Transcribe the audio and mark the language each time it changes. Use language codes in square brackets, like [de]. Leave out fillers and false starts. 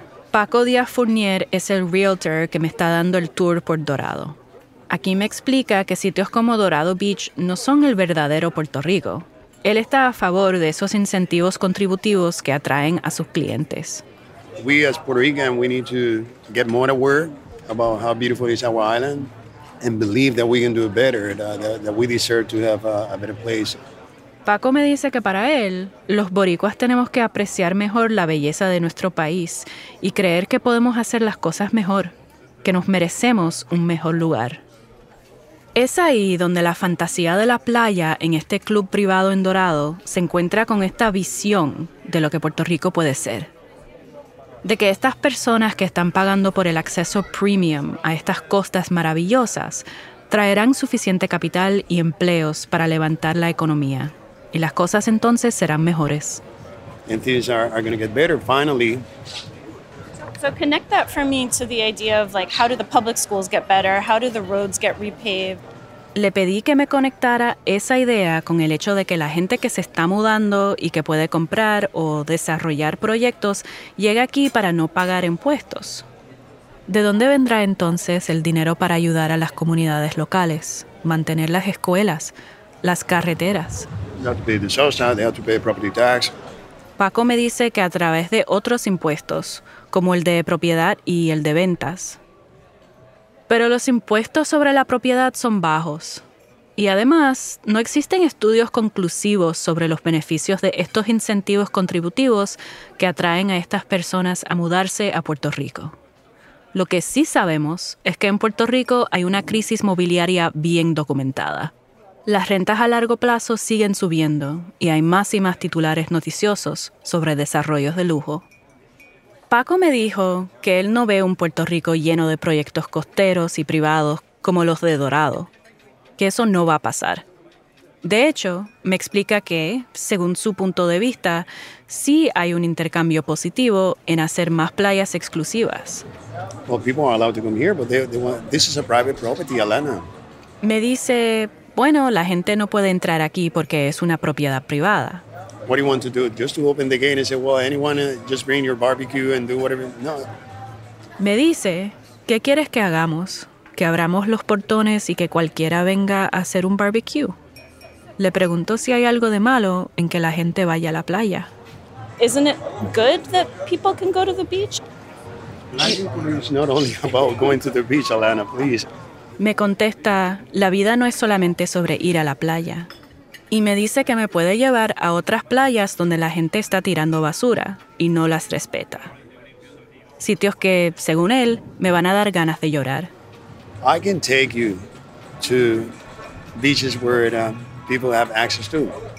[es] Paco Díaz-Fournier es el realtor que me está dando el tour por Dorado. Aquí me explica que sitios como Dorado Beach no son el verdadero Puerto Rico. Él está a favor de esos incentivos contributivos que atraen a sus clientes. [en] We as Puerto Rican, we need to get more aware about how beautiful is our island and believe that we can do it better, that we deserve to have a better place. [es] Paco me dice que para él, los boricuas tenemos que apreciar mejor la belleza de nuestro país y creer que podemos hacer las cosas mejor, que nos merecemos un mejor lugar. Es ahí donde la fantasía de la playa en este club privado en Dorado se encuentra con esta visión de lo que Puerto Rico puede ser. De que estas personas que están pagando por el acceso premium a estas costas maravillosas traerán suficiente capital y empleos para levantar la economía. Y las cosas entonces serán mejores. Y las cosas van a ser mejores, finalmente. [en] So connect that for me to the idea of like how do the public schools get better? How do the roads get repaved? [es] Le pedí que me conectara esa idea con el hecho de que la gente que se está mudando y que puede comprar o desarrollar proyectos llega aquí para no pagar impuestos. ¿De dónde vendrá entonces el dinero para ayudar a las comunidades locales, mantener las escuelas, las carreteras? [en] They have to pay the sales tax, they have to pay property tax. [es] Paco me dice que a través de otros impuestos, como el de propiedad y el de ventas. Pero los impuestos sobre la propiedad son bajos. Y además, no existen estudios conclusivos sobre los beneficios de estos incentivos contributivos que atraen a estas personas a mudarse a Puerto Rico. Lo que sí sabemos es que en Puerto Rico hay una crisis mobiliaria bien documentada. Las rentas a largo plazo siguen subiendo y hay más y más titulares noticiosos sobre desarrollos de lujo. Paco me dijo que él no ve un Puerto Rico lleno de proyectos costeros y privados como los de Dorado, que eso no va a pasar. De hecho, me explica que, según su punto de vista, sí hay un intercambio positivo en hacer más playas exclusivas. [en] Well, people are allowed to come here, but they want, this is a private property, Alana. [es] Me dice, bueno, la gente no puede entrar aquí porque es una propiedad privada. [en] What do you want to do? Just to open the gate and say, well, anyone, just bring your barbecue and do whatever. No. [es] Me dice, ¿qué quieres que hagamos? ¿Que abramos los portones y que cualquiera venga a hacer un barbecue? Le pregunto si hay algo de malo en que la gente vaya a la playa. [en] Isn't it good that people can go to the beach? It's not only about going to the beach, Alana, please. [es] Me contesta, la vida no es solamente sobre ir a la playa. Y me dice que me puede llevar a otras playas donde la gente está tirando basura y no las respeta. Sitios que, según él, me van a dar ganas de llorar. [en] I can take you to beaches where people have access to.